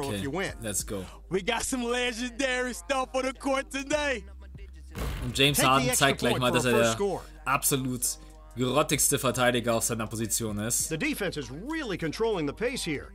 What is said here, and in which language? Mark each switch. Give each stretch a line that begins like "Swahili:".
English: We got some legendary stuff on the court today.
German: Und James Harden zeigt gleich mal, dass er der absolut grottigste Verteidiger auf seiner Position ist.
English: The defense is really controlling the pace here.